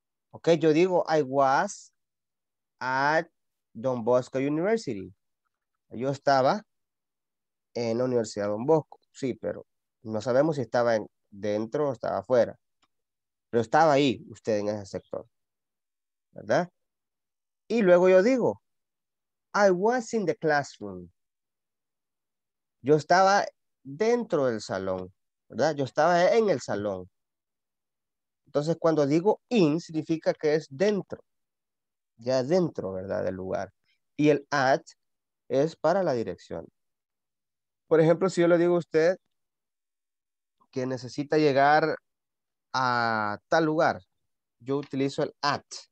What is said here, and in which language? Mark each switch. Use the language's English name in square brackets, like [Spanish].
[English] Ok, [Spanish] yo digo, [English] I was at Don Bosco University. [Spanish] Yo estaba en la Universidad Don Bosco. Sí, pero no sabemos si estaba dentro o estaba afuera. Pero estaba ahí, usted en ese sector. ¿Verdad? Y luego yo digo, [English] I was in the classroom. [Spanish] Yo estaba dentro del salón, ¿verdad? Yo estaba en el salón. Entonces, cuando digo in, significa que es dentro. Ya dentro, ¿verdad? Del lugar. Y el at es para la dirección. Por ejemplo, si yo le digo a usted que necesita llegar a tal lugar, yo utilizo el at.